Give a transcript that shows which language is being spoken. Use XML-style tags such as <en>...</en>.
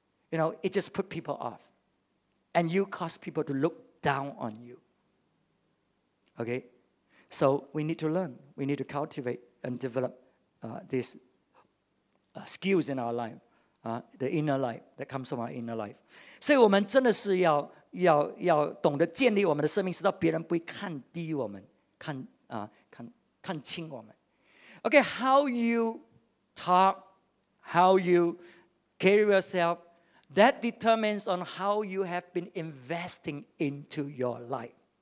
<en>You know, it just put people off. And you cause people to look down on you. Okay? So we need to learn. We need to cultivate and develop these skills in our life. The inner life that comes from our inner life.</en> <zh>所以我们真的是要懂得建立我们的生命，使到别人不会看低我们，看轻我们.</zh> <en>Okay, how you talk, how you carry yourself, that determines on how you have been investing into your life.</en>